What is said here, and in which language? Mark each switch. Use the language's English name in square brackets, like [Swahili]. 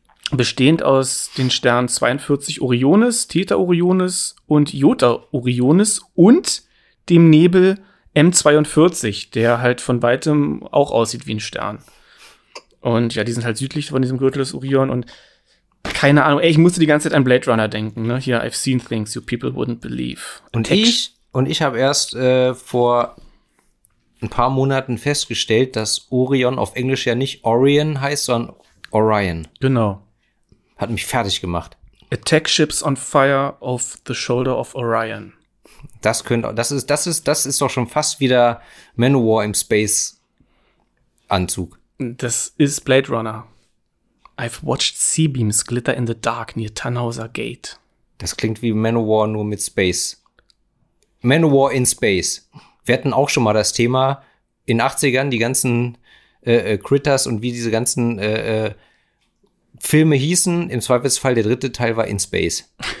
[German] Bestehend aus den Sternen 42 Orionis, Theta Orionis und Iota Orionis und dem Nebel M42, der halt von weitem auch aussieht wie ein Stern. Und ja, die sind halt südlich von diesem Gürtel des Orion und keine Ahnung, ey, ich musste die ganze Zeit an Blade Runner denken, ne? Hier, [English] I've seen things you people wouldn't believe. [German] Und ich habe erst vor ein paar Monaten festgestellt, dass Orion auf Englisch ja nicht Orion heißt, sondern Orion. Genau. Hat mich fertig gemacht. [English] Attack ships on fire off the shoulder of Orion. [German] Das ist doch schon fast wieder Manowar im Space Anzug. Das ist Blade Runner. [English] I've watched sea beams glitter in the dark near Tannhauser Gate. [German] Das klingt wie Manowar nur mit Space. Manowar in Space. Wir hatten auch schon mal das Thema in 80ern, die ganzen Critters und wie diese ganzen Filme hießen. Im Zweifelsfall der dritte Teil war In Space.